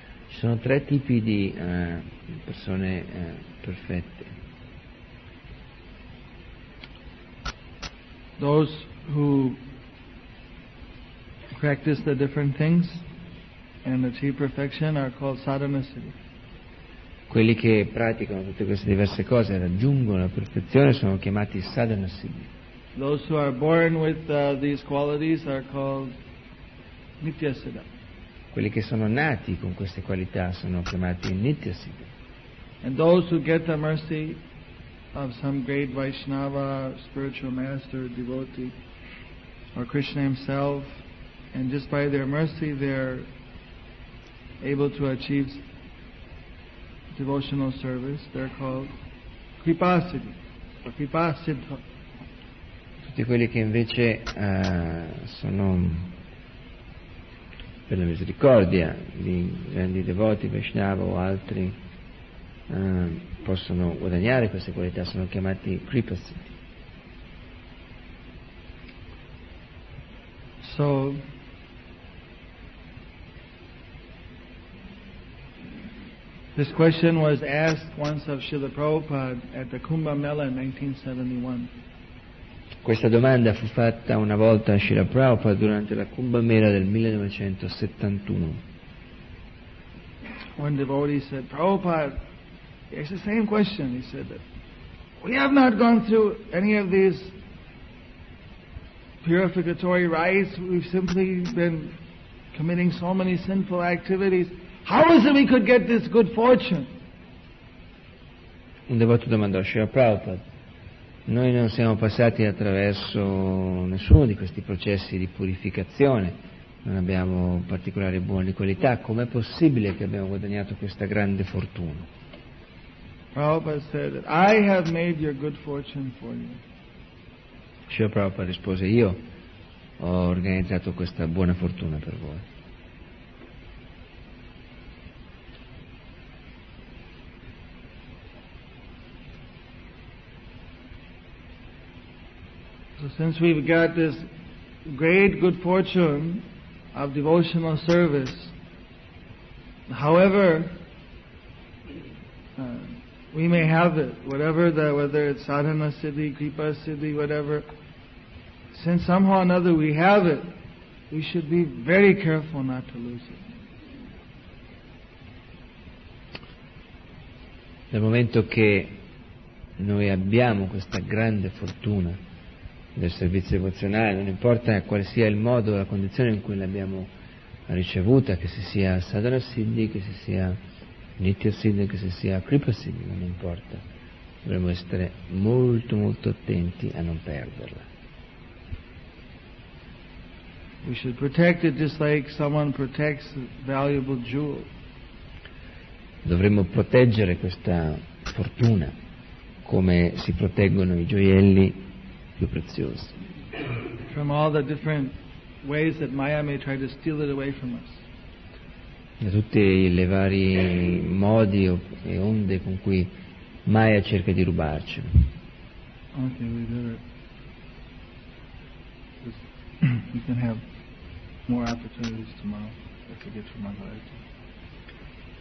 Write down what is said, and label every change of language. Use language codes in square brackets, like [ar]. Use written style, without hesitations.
[it] Ci sono tre tipi di persone perfette. [en] Those who practice the different things and achieve perfection are called Sadhana Siddhi. [it] Quelli che praticano tutte queste diverse cose e raggiungono la perfezione sono chiamati Sadhana Siddhi. [en] Those who are born with these qualities are called Nitya Siddha. [it] Quelli che sono nati con queste qualità sono chiamati Nitya Siddha. [en] And those who get the mercy of some great Vaishnava, spiritual master, devotee, or Krishna himself, and just by their mercy they're able to achieve devotional service, they're called Kripa Siddhi, or Kripa Siddha. [it] Tutti quelli che invece sono per la misericordia di grandi devoti, Vaishnava o altri, possono guadagnare queste qualità, sono chiamati Kripa Siddhi. [en] So, this question was asked once of Srila Prabhupada at the Kumbh Mela in 1971. [it] Questa domanda fu fatta una volta a Srila Prabhupada durante la Kumbh Mela del 1971. [en] One devotee said, Prabhupada, it's the same question. He said, we have not gone through any of these purificatory rites. We've simply been committing so many sinful activities. How is it we could get this good fortune? [it] Un devoto domandò a Srila Prabhupada: noi non siamo passati attraverso nessuno di questi processi di purificazione, non abbiamo particolari buone qualità, com'è possibile che abbiamo guadagnato questa grande fortuna? [en] Prabhupada said, I have made your good fortune for you. [it] Srila Prabhupada rispose: io ho organizzato questa buona fortuna per voi. [en] So since we've got this great good fortune of devotional service, however we may have it, whatever the, whether it's sadhana siddhi, kripa siddhi, whatever, since somehow or another we have it, we should be very careful not to lose it. [it] Dal momento che noi abbiamo questa grande fortuna del servizio devozionale, non importa quale sia il modo o la condizione in cui l'abbiamo ricevuta, che si sia Sadhana Siddhi, che si sia Nitya Siddhi, che si sia Kripa Siddhi, non importa, dovremmo essere molto molto attenti a non perderla. [en] We should protect it just like someone protects valuable jewel. [it] Dovremmo proteggere questa fortuna come si proteggono i gioielli più preziosi. [en] From all the different ways that Maya may try to steal it away from us. Da tutti i vari modi e onde con cui Maya cerca di rubarci. Okay, we better. We can have more opportunities tomorrow if we get from other ideas.